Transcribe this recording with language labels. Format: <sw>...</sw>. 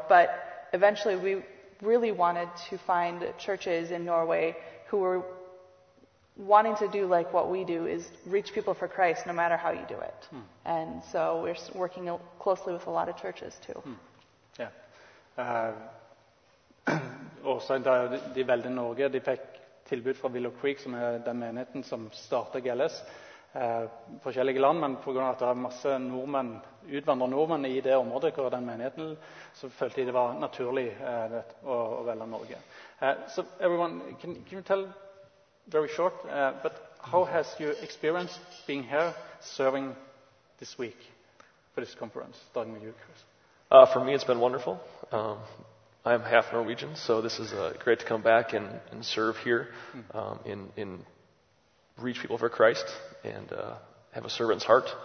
<en>But eventually we really wanted to find churches in Norway who were wanting to do like what we do, is reach people for Christ no matter how you do it. Hmm. And so we're working closely with a lot of churches too. Hmm. Yeah.</en> <no>Also, de valgte Norge, de fikk tilbud fra Willow Creek, som den menigheten som startet GLS. Forskjellige land, men på grunn av at det masse nordmenn, utvandrer nordmenn i det området hvor den menigheten, så følte de det var naturlig å velge Norge.</no> <en>So everyone, can you tell very short, but how has you experienced being here serving this week for this conference, starting with you, Chris? For me, it's been wonderful. I'm half Norwegian, so this is great to come back and serve here and reach people for Christ and have a servant's heart.</en>